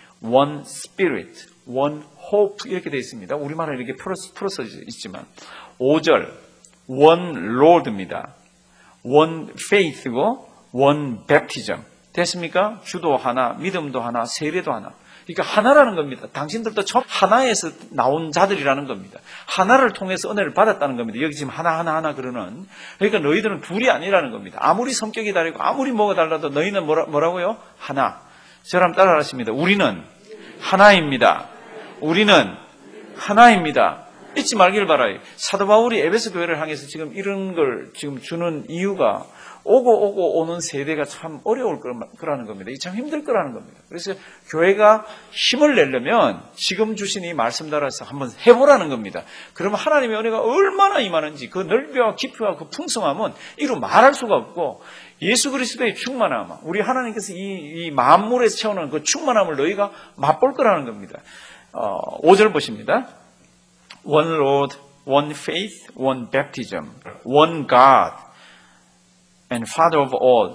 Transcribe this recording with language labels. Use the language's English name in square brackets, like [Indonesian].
[English] One spirit, one hope [Korean] 이렇게 되어 있습니다. 우리말은 이렇게 풀어서 있지만 5절, [English] one Lord [Korean] 입니다. [English] One faith고, one baptism [Korean] 됐습니까? 주도 하나, 믿음도 하나, 세례도 하나. 그러니까 하나라는 겁니다. 당신들도 처음 하나에서 나온 자들이라는 겁니다. 하나를 통해서 은혜를 받았다는 겁니다. 여기 지금 하나 그러는 그러니까 너희들은 둘이 아니라는 겁니다. 아무리 성격이 다르고 아무리 뭐가 달라도 너희는 뭐라고요? 하나. 저랑 따라하십니다. 우리는 하나입니다. 우리는 하나입니다. 잊지 말길 바라요. 사도 바울이 에베소 교회를 향해서 지금 이런 걸 지금 주는 이유가 오고 오는 세대가 참 어려울 거라는 겁니다. 참 힘들 거라는 겁니다. 그래서 교회가 힘을 내려면 지금 주신 이 말씀 따라서 한번 해보라는 겁니다. 그러면 하나님의 은혜가 얼마나 임하는지 그 넓이와 깊이와 그 풍성함은 이루 말할 수가 없고 예수 그리스도의 충만함, 우리 하나님께서 이 만물에서 채우는 그 충만함을 너희가 맛볼 거라는 겁니다. 5절 보십니다. [English] One Lord, one faith, one baptism, one God, and Father of all.